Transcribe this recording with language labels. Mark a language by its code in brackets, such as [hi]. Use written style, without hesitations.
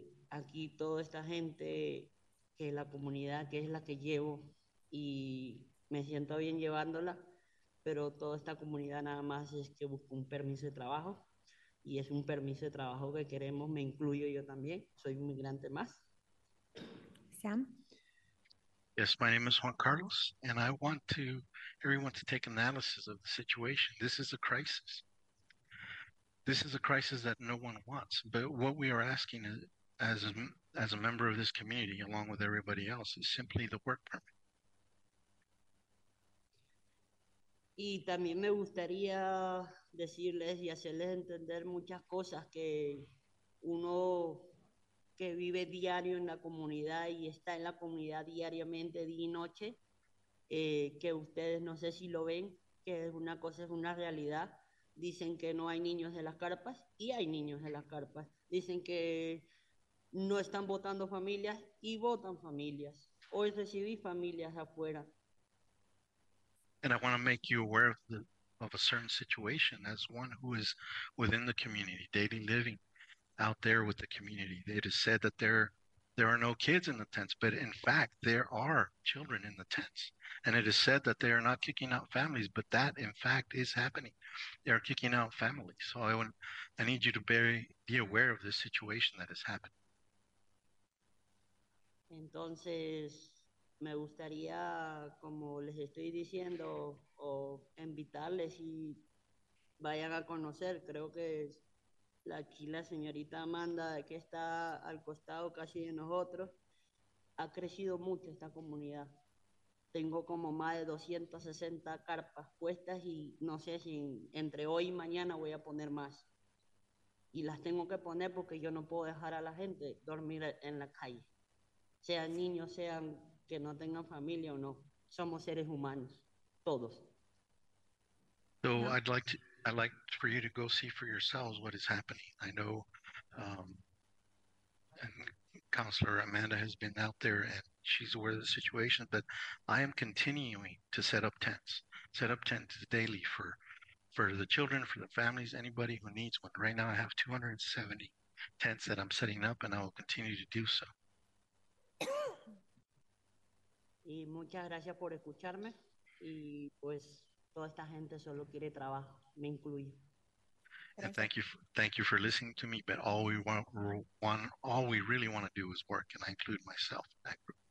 [es] Aquí toda esta gente, que la comunidad que es la que llevo y me siento bien llevándola, pero toda esta comunidad nada más es que busca un permiso de trabajo y es un permiso de trabajo que queremos, me incluyo yo también, soy un migrante más. [en] Sam. Yes, my name is Juan Carlos, and I want to everyone to take analysis of the situation. This is a crisis. This is a crisis that no one wants. But what we are asking is, as a member of this community, along with everybody else, is simply the work permit. [es] Y también me gustaría decirles y hacerles entender muchas cosas que uno que vive diario en la comunidad y está en la comunidad diariamente, día y noche, que ustedes no sé si lo ven, que es una cosa, es una realidad. Dicen que no hay niños de las carpas y hay niños de las carpas. Dicen que no están votando familias y votan familias. Hoy recibí familias afuera. [en] And I want to make you aware of a certain situation as one who is within the community, daily living. Out there with the community, it is said that there are no kids in the tents, but in fact there are children in the tents, and it is said that they are not kicking out families, but that in fact is happening. They are kicking out families. So I need you to be aware of this situation that has happened. [es] Entonces me gustaría, como les estoy diciendo, o invitarles y vayan a conocer, creo que es aquí la señorita Amanda, que está al costado casi de nosotros, ha crecido mucho esta comunidad. Tengo como más de 260 carpas puestas y no sé si entre hoy y mañana voy a poner más. Y las tengo que poner porque yo no puedo dejar a la gente dormir en la calle. Sean niños, sean que no tengan familia o no. Somos seres humanos, todos. [en] So I'd like for you to go see for yourselves what is happening. I know and Counselor Amanda has been out there and she's aware of the situation, but I am continuing to set up tents daily for the children, for the families, anybody who needs one. Right now I have 270 tents that I'm setting up, and I will continue to do so. [es] Y muchas gracias por escucharme, y pues toda esta gente solo quiere trabajo. Me incluyo. [en] And thank you for listening to me, but all we really want to do is work, and I include myself in that group.